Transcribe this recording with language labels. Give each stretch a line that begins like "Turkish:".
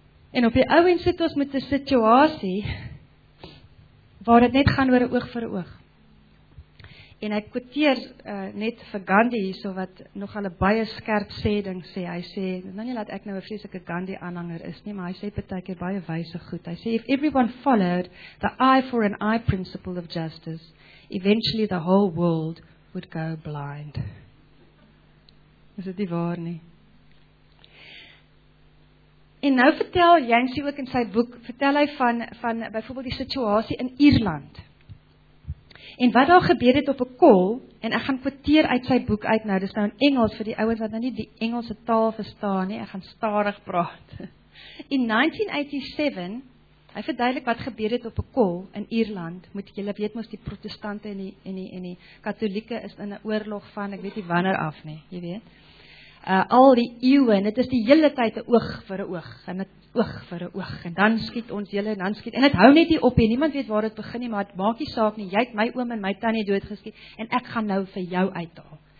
Afrikaans: En op die ou end sit ons met 'n situasie waar dit net gaan oor 'n oog vir 'n oog. En ek kwoteer net vir Gandhi hierso wat nogal 'n baie skerp sê ding sê. Hy sê, nou nie dat ek nou 'n vreeslike Gandhi aanhanger is nie, maar hy sê partykeer baie wyse goed. Hy sê
English: if everyone followed the eye for an eye principle of justice, eventually the whole world would go blind.
Afrikaans: Is dit nie waar nie? En nou vertel Yancey ook in sy boek, vertel hy van byvoorbeeld die situasie in Ierland. En wat daar gebeur het op 'n kol, en ek gaan kwoteer uit sy boek uit nou, dis nou in Engels vir die ouens wat nou nie die Engelse taal verstaan nie, ek gaan stadig praat. In 1987, hy verduidelik wat gebeur het op 'n kol in Ierland, moet julle weet mos die protestante en die katolieke is in 'n oorlog van, ek weet nie wanneer af nie, jy weet. Al die eeuwe, en het is die hele tyd een oog vir een oog, en het oog vir een oog, en dan skiet ons julle, en dan skiet, en het hou net nie op, en niemand weet waar het begin nie, maar het maak nie saak nie, jy het my oom en my tannie doodgeskiet, en ek gaan nou vir jou uithaal.